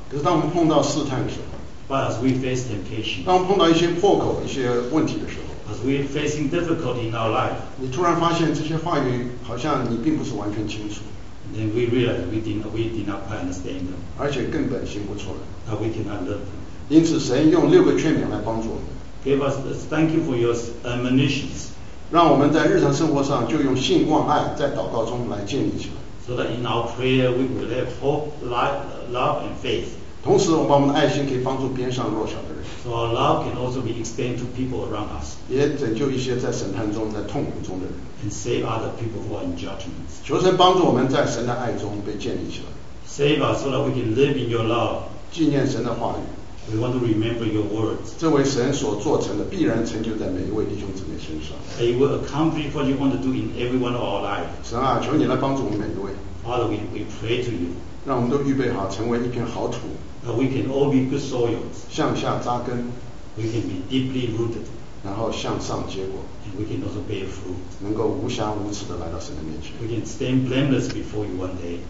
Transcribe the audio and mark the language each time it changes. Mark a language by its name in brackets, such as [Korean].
[Chinese] 可是当我们碰到试探的时候 [English] but as we face temptation, [Chinese] 当我们碰到一些破口一些问题的时候 [English] As we are facing difficulty in our life, [Chinese] 你突然发现这些话语好像你并不是完全清楚。 [English] Then we realize we did not quite understand them. [Chinese] 而且根本行不出来。 [English] That we cannot live. [Chinese] 因此神用六个劝勉来帮助我们。 [English] Give us thank you for your admonitions. [Chinese] 让我们在日常生活上就用信望爱在祷告中来建立起来。 [English] So that in our prayer we will have hope, light, love and faith. [Chinese] 同时我们把我们的爱心可以帮助边上弱小的人。 [English] So our love can also be extended to people around us. [Chinese] 也拯救一些在审判中、在痛苦中的人。 [English] And save other people who are in judgment. [Chinese] 求神帮助我们在神的爱中被建立起来。 [English] Save us so that we can live in your love. [Chinese] 纪念神的话语。 [English] We want to remember your words. [Chinese] 这位神所做成的必然成就在每一位弟兄姊妹身上。 [English] And you will accomplish what you want to do in every one of our lives. [Chinese] 神啊，求你来帮助我们每一位。 [English] Father, we pray to you. [Chinese] 让我们都预备好成为一片好土。 [English] That we can all be good soils. [Chinese] 向下扎根。 [English] We can be deeply rooted. [Chinese] 然后向上结果。 [English] And we can also bear fruit. [Chinese] 能够无瑕无疵地来到神的面前。 [English] We can stand blameless before you one day.